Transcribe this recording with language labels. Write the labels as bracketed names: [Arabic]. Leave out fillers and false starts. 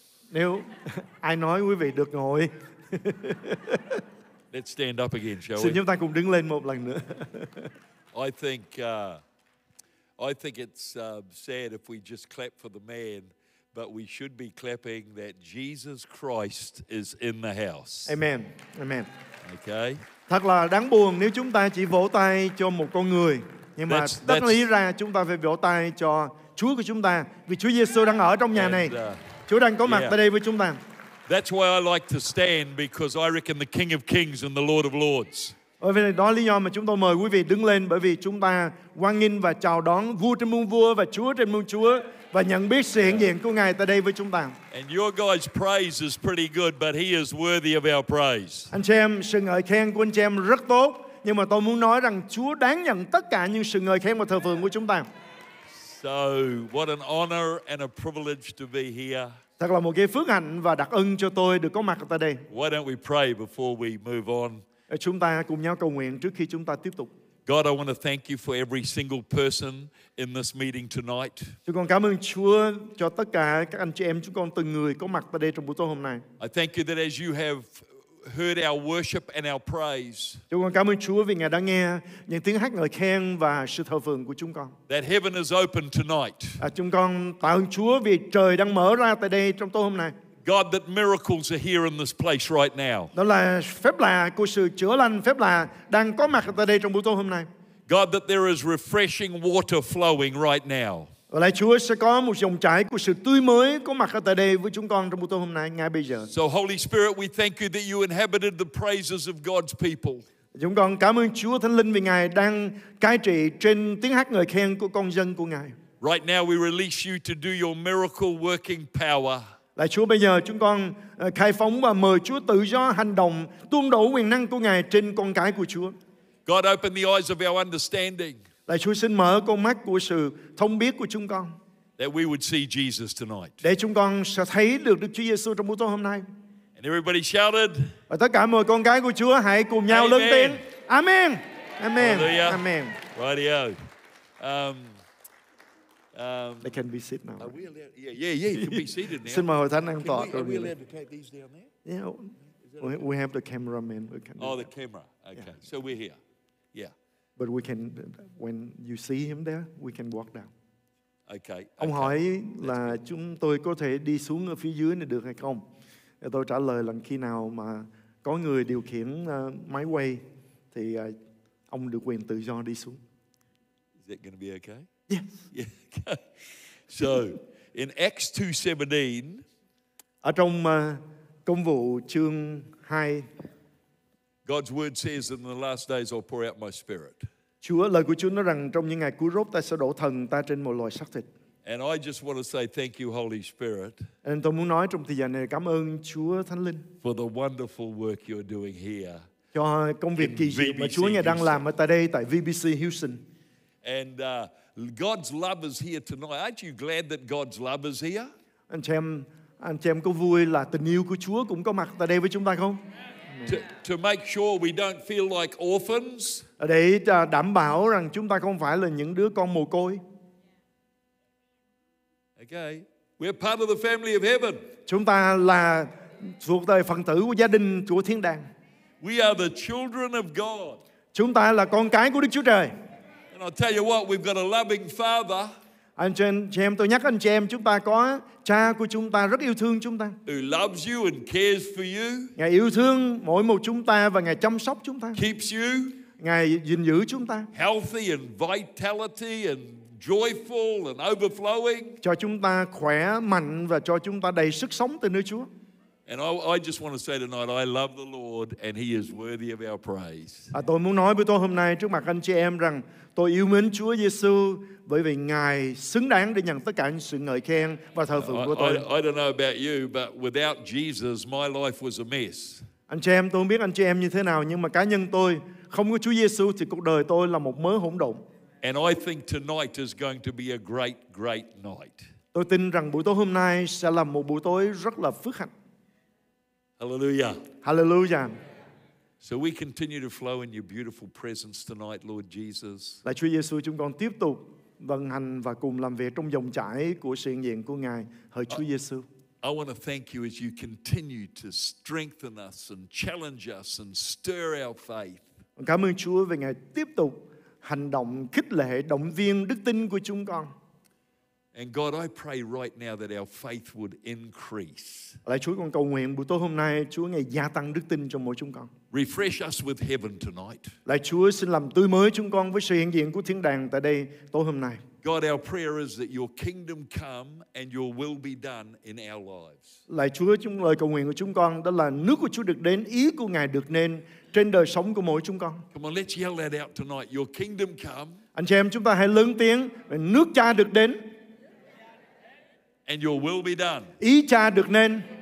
[Vietnamese] Nếu ai nói quý vị được ngồi. [English] Let's stand up again, shall we? [Vietnamese] Xin chúng ta cùng đứng lên một lần nữa. [English] I think it's sad if we just clap for the man, but we should be clapping that Jesus Christ is in the house. Amen. Amen. Okay. [Vietnamese] Thật là đáng buồn nếu chúng ta chỉ vỗ tay cho một con người. Nhưng mà tất lý ra chúng ta phải vỗ tay cho Chúa của chúng ta vì Chúa Giê-xu đang ở trong nhà này. Chúa đang có mặt tại đây với chúng ta. [English] That's why I like to stand because I reckon the King of Kings and the Lord of Lords. [Vietnamese] Bởi vì đó lý do mà chúng tôi mời quý vị đứng lên bởi vì chúng ta hoan nghênh và chào đón vua trên muôn vua và Chúa trên muôn Chúa và nhận biết sự hiện diện của Ngài tại đây với chúng ta. [English] And your guy's praise is pretty good, but he is worthy of our praise. [Vietnamese] Anh chị em, sự ngợi khen của anh chị em rất tốt. Nhưng mà tôi muốn nói rằng Chúa đáng nhận tất cả những sự ngợi khen và thờ phượng của chúng ta. [English] So, what an honor and a privilege to be here. [Vietnamese] Thật là một cái phước hạnh và đặc ân cho tôi được có mặt tại đây. [English] Why don't we pray before we move on? [Vietnamese] Chúng ta cùng nhau cầu nguyện trước khi chúng ta tiếp tục. [English] God, I want to thank you for every single person in this meeting tonight. [Vietnamese] Chúng con cảm ơn Chúa cho tất cả các anh chị em chúng con từng người có mặt tại đây trong buổi tối hôm nay. [English] I thank you that as you have heard our worship and our praise. [Vietnamese] Chúng con cảm ơn Chúa vì Ngài đã nghe những tiếng hát ngợi khen và sự thờ phượng của chúng con. [English] That heaven is open tonight. [Vietnamese] Chúng con tạ ơn Chúa vì trời đang mở ra tại đây trong tối hôm nay. [English] God, that miracles are here in this place right now. [Vietnamese] Đó là phép lạ của sự chữa lành, phép lạ đang có mặt tại đây trong buổi tối hôm nay. [English] God, that there is refreshing water flowing right now. [Vietnamese] Và lại Chúa sẽ có một dòng chảy của sự tươi mới có mặt ở tại đây với chúng con trong buổi tối hôm nay, ngay bây giờ. [English] So Holy Spirit, we thank you that you inhabited the praises of God's people. [Vietnamese] Chúng con cảm ơn Chúa Thánh Linh vì Ngài đang cai trị trên tiếng hát ngợi khen của con dân của Ngài. [English] Right now we release you to do your miracle working power. [Vietnamese] Lạy Chúa, bây giờ chúng con khai phóng và mời Chúa tự do hành động, tuôn đổ quyền năng của Ngài trên con cái của Chúa. [English] God, open the eyes of our understanding. [Vietnamese] Lạy Chúa, xin mở con mắt của sự thông biết của chúng con. [English] That we would see Jesus tonight. [Vietnamese] Để chúng con sẽ thấy được Đức Chúa Giêsu trong buổi tối hôm nay. [English] And everybody shouted. [Vietnamese] Và tất cả mọi con cái của Chúa hãy cùng nhau lớn tiếng. [English] Amen. Amen. Hallelujah. Amen. Radio. They can be seated now. Yeah, you can be seated now. Can we allow to take these down there? Yeah. We have the cameraman. Oh, the camera. Okay. Yeah. So we're here. Yeah. But we can, when you see him there, we can walk down. Okay. [Vietnamese] Ông hỏi là chúng tôi có thể đi xuống ở phía dưới này được hay không? Tôi trả lời là khi nào mà có người điều khiển máy quay thì ông được quyền tự do đi xuống. [English] Is that going to be okay? Yes. Yeah. So, in Acts 2:17, [Vietnamese] ở trong công vụ chương 2, [English] God's word says in the last days I'll pour out my spirit. [Vietnamese] Chúa, lời của Chúa nói rằng trong những ngày cuối rốt ta sẽ đổ thần ta trên mọi loài xác thịt. [English] And I just want to say thank you, Holy Spirit. [Vietnamese] Nên tôi muốn nói trong thời gian này cảm ơn Chúa Thánh Linh. [English] For the wonderful work you're doing here. [Vietnamese] Cho công việc kỳ diệu mà Chúa ngài đang làm ở tại đây tại VBC Houston. [English] And God's love is here tonight. Aren't you glad that God's love is here? [Vietnamese] Anh chị em có vui là tình yêu của Chúa cũng có mặt tại đây với chúng ta không? [English] To make sure we don't feel like orphans. [Vietnamese] Để đảm bảo rằng chúng ta không phải là những đứa con mồ côi. [English] Okay, we're part of the family of heaven. [Vietnamese] Chúng ta là thuộc về phần tử của gia đình của thiên đàng. [English] We are the children of God. [Vietnamese] Chúng ta là con cái của Đức Chúa Trời. [English] And I'll tell you what, we've got a loving father. [Vietnamese] Anh chị em, tôi nhắc anh chị em, chúng ta có cha của chúng ta rất yêu thương chúng ta. [English] Who loves you and cares for you. [Vietnamese] Ngài yêu thương mỗi một chúng ta và Ngài chăm sóc chúng ta. [English] Keeps you. [Vietnamese] Ngài gìn giữ chúng ta. [English] Healthy and vitality and joyful and overflowing. [Vietnamese] Cho chúng ta khỏe mạnh và cho chúng ta đầy sức sống từ nơi Chúa. [English] And I just want to say tonight, I love the Lord and He is worthy of our praise. [Vietnamese] Tôi muốn nói với tôi hôm nay trước mặt anh chị em rằng tôi yêu mến Chúa Giêsu bởi vì Ngài xứng đáng để nhận tất cả sự ngợi khen và thờ phượng của tôi. [English] I don't know about you, but without Jesus, my life was a mess. [Vietnamese] Anh chị em, tôi không biết anh chị em như thế nào, nhưng mà cá nhân tôi, không có Chúa Giêsu thì cuộc đời tôi là một mớ hỗn độn. [English] And I think tonight is going to be a great, great night. [Vietnamese] Tôi tin rằng buổi tối hôm nay sẽ là một buổi tối rất là phước hạnh. [English] Hallelujah. Hallelujah. So we continue to flow in your beautiful presence tonight, Lord Jesus. [Vietnamese] Lạy Chúa Giêsu, chúng con tiếp tục vận hành và cùng làm việc trong dòng chảy của sự hiện diện của Ngài, hỡi Chúa Giêsu. [English] I want to thank you as you continue to strengthen us and challenge us and stir our faith. [Vietnamese] Cảm ơn Chúa vì Ngài tiếp tục hành động khích lệ, động viên đức tin của chúng con. [English] And God, I pray right now that our faith would increase. [Vietnamese] Lạy Chúa, con cầu nguyện buổi tối hôm nay Chúa ngài gia tăng đức tin trong mỗi chúng con. [English] Refresh us with heaven tonight. [Vietnamese] Lạy Chúa, xin làm tươi mới chúng con với sự hiện diện của thiên đàng tại đây tối hôm nay. [English] God, our prayer is that your kingdom come and your will be done in our lives. [Vietnamese] Lạy Chúa, chúng lời cầu nguyện của chúng con đó là nước của Chúa được đến, ý của ngài được nên trên đời sống của mỗi chúng con. [English] Come on, let's yell that out tonight. Your kingdom come. [Vietnamese] Anh chị em, chúng ta hãy lớn tiếng về nước cha được đến. [English] And your will be done. [Vietnamese] Ý cha được nên.